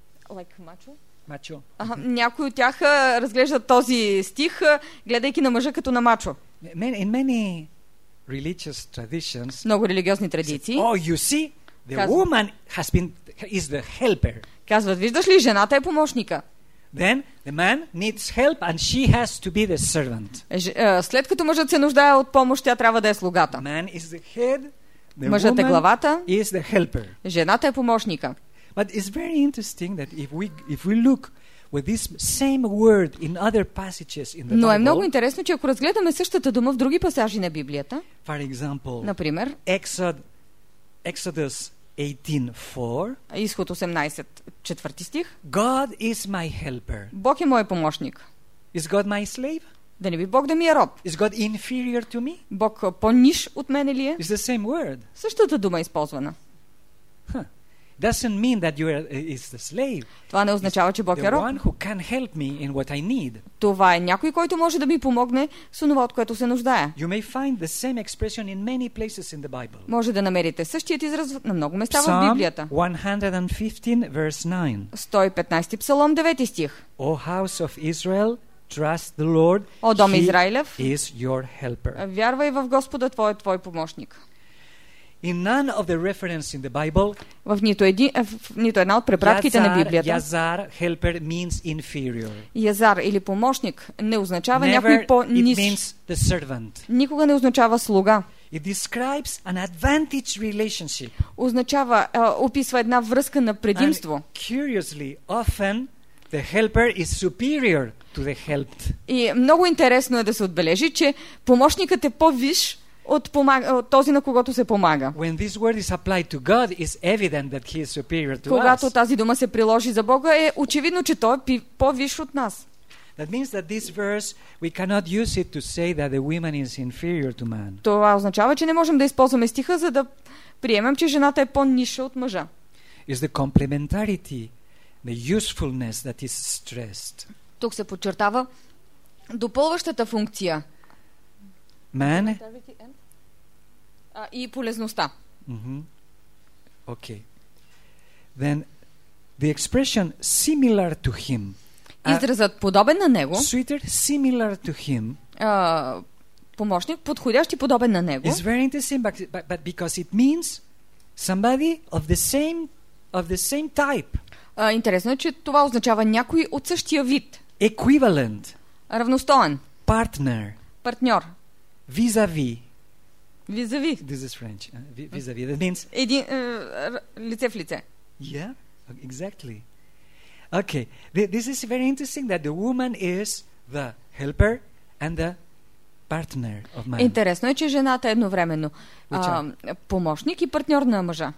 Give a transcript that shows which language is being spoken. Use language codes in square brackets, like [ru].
[bg] Някой някой от тях разглеждат този стих, гледайки на мъжа като на мачо. [en] In many religious traditions. [bg] Много религиозни традиции. [en] Oh, you see, the woman is the helper. [bg] Казват, виждаш ли, жената е помощника. [en] Then the man needs help and she has to be the servant. [bg] След като мъжът се нуждае от помощ, тя трябва да е слугата. [en] Man is the head, the [bg] мъжът е главата. [en] Is the helper. [bg] Жената е помощника. [en] But it's very interesting that if we look with this same word in other passages in the Bible. [bg] Но е много интересно, че ако разгледаме същата дума в други пасажи на Библията. [en] For example, [bg] например, [en] Exodus 18:4. [bg] Изход 18, четвърти стих. [en] God is my helper. [bg] Бог е мой помощник. [en] Is God my slave? [bg] Да не би Бог да ми е роб. [en] Is God inferior to me? [bg] Бог по-ниш от мен ли е? [en] It's the same word. [bg] Същата дума е използвана. [en] Doesn't mean that you are is the slave. [bg] Това не означава, че Бог е роб. [en] The one who can help me in what I need. [bg] Това е някой, който може да ми помогне с онова, от което се нуждая. [en] You may find the same expression in many places in the Bible. [bg] Може да намерите същият израз на много места в Библията. [en] Psalm 115 verse 9. [bg] 115 Псалом 9 стих. [en] O house of Israel, trust the Lord. [bg] О дом Израилев, [en] is your helper. [bg] Вярвай в Господа, твой помощник. [en] In none of the references in the Bible, [bg] в нито една от препратките на Библията, [en] Язар, helper means inferior. [bg] Язар или помощник не означава някой по-низ. [en] It means the servant. [bg] Никога не означава слуга. [en] It describes an advantage relationship. [bg] Означава, описва една връзка на предимство. [en] And curiously, often the helper is superior to the helped. [bg] И много интересно е да се отбележи, че помощникът е по-виш от този, на когото се помага. [en] When this word is applied to God, it's evident that he is superior to us. [bg] Когато тази дума се приложи за Бога, е очевидно, че той е по-виш от нас. [en] That means that this verse we cannot use it to say that the woman is inferior to man. [bg] Това означава, че не можем да използваме стиха, за да приемем, че жената е по-ниша от мъжа. [en] Is the complementarity, the usefulness that is stressed. [bg] Тук се подчертава допълващата функция. [en] Man. [bg] И полезността. [en] Okay. Then the expression similar to him. [bg] Изразът подобен на него. [en] Suited similar to him. [bg] Помощник, подходящ и подобен на него. [en] It's very interesting, but because it means somebody of the same type. [bg] Интересно е, че това означава някой от същия вид. [en] Equivalent. [bg] Равностоен. [en] Partner. [bg] Партньор. [en] Vis-a-vis. [bg] Визави. [en] This is French. Визави. That means... [bg] лице в лице. [en] Yeah, exactly. Okay, this is very interesting that the woman is the helper and the partner of man. [bg] Интересно е, че жената едновременно помощник и партньор на мъжа.